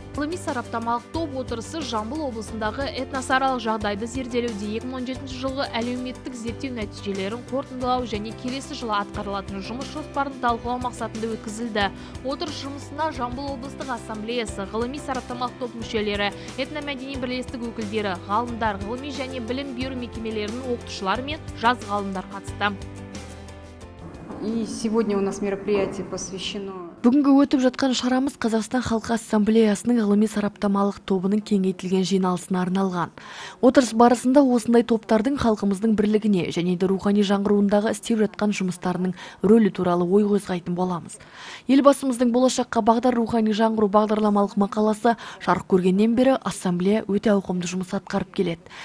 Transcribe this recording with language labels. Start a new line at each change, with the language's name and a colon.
Kazakh: Ғылыми сараптамалық топ отырысы Жамбыл облысындағы этносаралық жағдайды зерделеуде 2017 жылғы әлеуметтік зерттеу нәтижелерін қорытындылау және келесі жылы атқарылатын жұмыс жоспарын талқылау мақсатында өткізілді. Отырыс жұмысына Жамбыл облысы ассамблеясы, ғылыми сараптамалық топ мүшелері, этномәдени бірлестік өкілдері, ғалымдар, ғылыми және білім беру мекемелерінің оқытушылары мен жас ғалымдар қатысты.
Russian: И сегодня у нас мероприятие посвящено.
Kazakh: Бүгінгі өтіп жатқан шарамыз Қазақстан халқы ассамблеясының ғылыми сараптамалық тобының кеңейтілген жиналысына арналған. Отырыс барысында осындай топтардың халқымыздың бірлігіне және де рухани жаңғыруындағы істеп жатқан жұмыстарының рөлі туралы ой қозғайтын боламыз. Елбасымыздың болашаққа бағдар рухани жаңғыру бағдарламалық мақаласы жарық көргеннен бері ассамблея өте ауқымды жұмыс атқарып келеді.